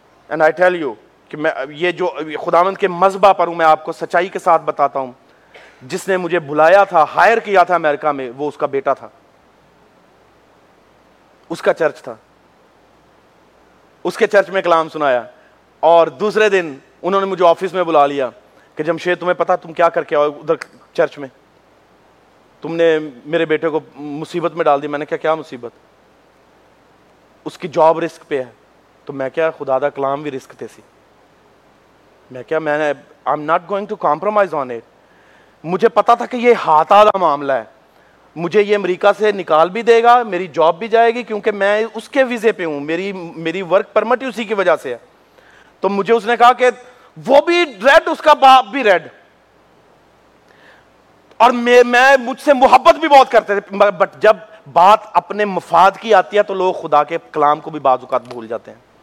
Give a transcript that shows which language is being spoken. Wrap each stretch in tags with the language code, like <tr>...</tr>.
<en>and I tell you</en> <ur>کہ میں یہ جو خداوند کے مذبح پر ہوں, میں آپ کو سچائی کے ساتھ بتاتا ہوں, جس نے مجھے بلایا تھا, ہائر کیا تھا امریکہ میں, وہ اس کا بیٹا تھا, اس کا چرچ تھا, اس کے چرچ میں کلام سنایا. اور دوسرے دن انہوں نے مجھے آفس میں بلا لیا کہ جمشید تمہیں پتا تم کیا کر کے آئے ادھر چرچ میں, تم نے میرے بیٹے کو مصیبت میں ڈال دی. میں نے کہا کیا مصیبت. اس کی جاب رسک پہ ہے.</ur> <pa>تو میں کیا, خدا دا کلام بھی رسک تھے سی.</pa> <ur>میں کیا, میں</ur> <en>I am not going to compromise on it.</en> <ur>مجھے پتا تھا کہ یہ ہاتھ آدھا معاملہ ہے, مجھے یہ امریکہ سے نکال بھی دے گا, میری جاب بھی جائے گی, کیونکہ میں اس کے ویزے پہ ہوں, میری ورک پرمٹ اسی کی وجہ سے ہے. تو مجھے اس نے کہا کہ وہ بھی ریڈ, اس کا باپ بھی ریڈ, اور میں مجھ سے محبت بھی بہت کرتے تھے, بٹ جب بات اپنے مفاد کی آتی ہے تو لوگ خدا کے کلام کو بھی بعض اوقات بھول جاتے ہیں.</ur>